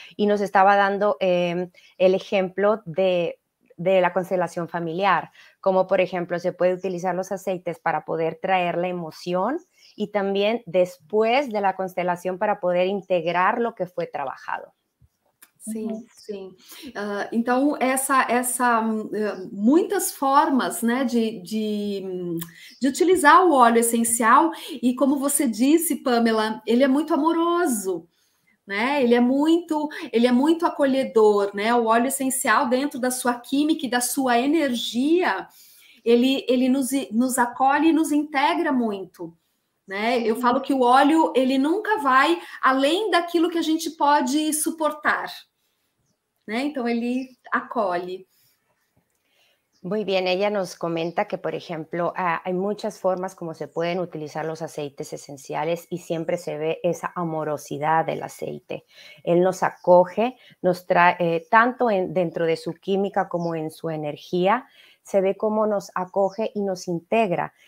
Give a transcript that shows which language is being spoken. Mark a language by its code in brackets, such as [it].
[es] Y nos estaba dando el ejemplo de la constelación familiar, como por ejemplo se puede utilizar los aceites para poder traer la emoción y también después de la constelación para poder integrar lo que fue trabajado. Sí, sí. Entonces, muchas formas, ¿no? de utilizar el óleo esencial y como [pt] você disse, [es] Pamela, él es muy amoroso. [pt] Né? Ele é muito acolhedor, né? O óleo essencial dentro da sua química e da sua energia, ele nos acolhe e nos integra muito, né? Eu falo que o óleo, ele nunca vai além daquilo que a gente pode suportar, né? Então ele acolhe. [es] Muy bien, ella nos comenta que, por ejemplo, hay muchas formas como se pueden utilizar los aceites esenciales y siempre se ve esa amorosidad del aceite. Él nos acoge, nos trae tanto dentro de su química como en su energía, se ve cómo nos acoge y nos integra.